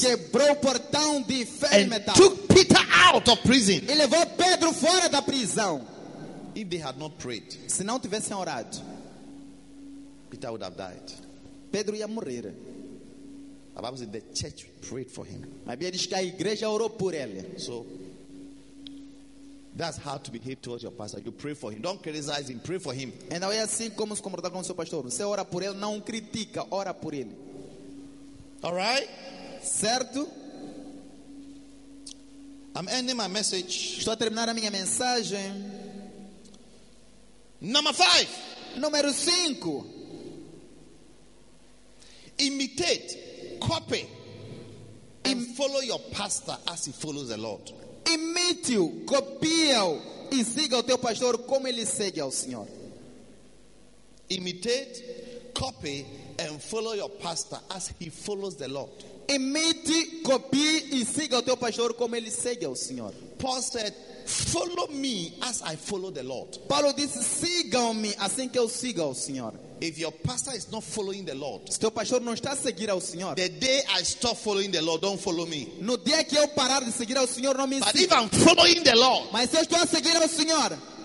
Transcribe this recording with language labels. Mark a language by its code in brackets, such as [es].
[pt] quebrou o portão de ferro [en] and [pt] metal, [en] took Peter out of prison, [pt] e levou Pedro fora da prisão. [en] If they had not prayed, [pt] se não tivessem orado, [en] Peter would have died. [pt] Pedro ia morrer. [en] A Bible says the church prayed for him. [pt] A Bíblia diz que a igreja orou por ele. [en] So that's how to behave towards your pastor. You pray for him. Don't criticize him. Pray for him. [pt] E não é assim como se comportar com o seu pastor. Você ora por ele, não critica. Ora por ele. [en] All right? [pt] Certo? [en] I'm ending my message. [pt] Estou a terminar a minha mensagem. [en] Number 5. [pt] Número 5. [en] Imitate, copy, and follow your pastor as he follows the Lord. [pt] Imite-o, copia-o, e siga o teu pastor como ele segue ao Senhor. [en] Imitate, copy, and follow your pastor as he follows the Lord. [pt] Imite, copie, e siga o teu pastor como ele segue ao Senhor. [en] Paul said, follow me as I follow the Lord. [pt] Paulo disse, sigam-me assim que eu siga o Senhor. [en] If your pastor is not following the Lord, [pt] se teu pastor não está a seguir ao Senhor, [en] the day I stop following the Lord, don't follow me. [pt] No dia que eu parar de seguir ao Senhor, não me [en] siga. But if I'm following the Lord, [pt] mas se eu estou a seguir ao Senhor,